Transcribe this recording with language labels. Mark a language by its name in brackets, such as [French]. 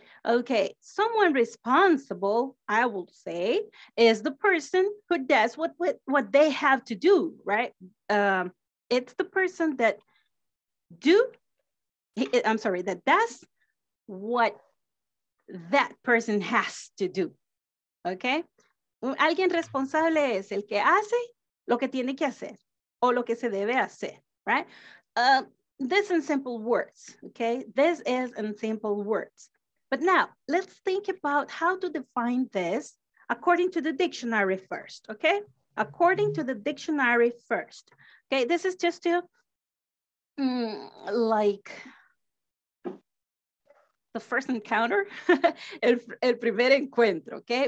[English] Okay, someone responsible, I will say, is the person who does what they have to do, right? It's the person that that does what that person has to do, okay? [Spanish] Alguien responsable es el que hace lo que tiene que hacer o lo que se debe hacer, right? [English] This in simple words, okay? This is in simple words. But now, let's think about how to define this according to the dictionary first, okay? According to the dictionary first, okay? This is just to, like, the first encounter, [Spanish] el primer encuentro, [English] okay?